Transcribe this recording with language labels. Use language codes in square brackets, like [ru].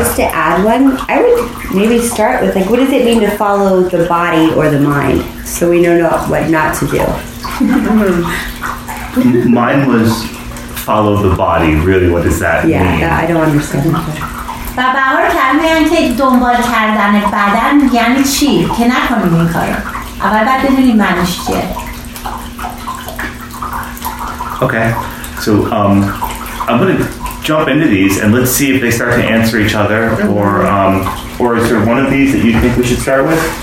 [en] Just to add one, I would maybe start with, like, what does it mean to follow the body or the mind? So we know not what not to do. Mine was follow the body. Really, what does that mean? Yeah, I don't understand. [fa] و باور کردم که دنبال کردن بدن یعنی چی؟ که نکنیم این کارو. اول باید بدونیم معنیش چیه. [en] Okay. So, I'm going to jump into these and let's see if they start to answer each other, or is there one of these that you think we should start with?